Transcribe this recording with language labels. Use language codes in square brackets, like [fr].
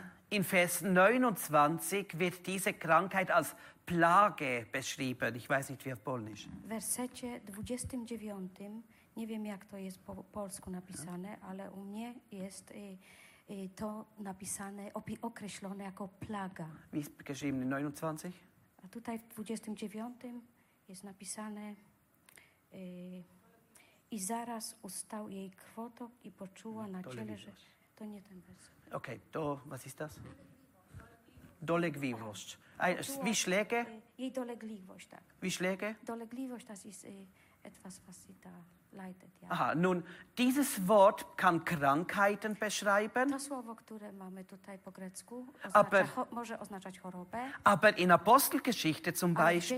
[de] In Vers 29 wird diese Krankheit als Plage beschrieben. Ich weiß nicht, wie auf Polnisch. [pl] W wersecie 29, nie wiem, jak to jest po polsku napisane, ale u mnie jest to napisane, określone jako plaga. [de] Wie ist geschrieben in 29? [pl] A tutaj w 29 jest napisane: i zaraz ustał jej krwotok i poczuła na ciele, że... To nie ten werset. [de] Okej, okay, to... Was ist das? Dolegliwość. Wie Schläge? [pl] Jej dolegliwość, tak. [de] Wie Schläge? Dolegliwość, das ist etwas, was sie da leidet, ja. Aha, nun, dieses Wort kann Krankheiten beschreiben. [pl] To słowo, które mamy tutaj po grecku, może oznaczać chorobę. [de] Aber in Apostelgeschichte zum Beispiel...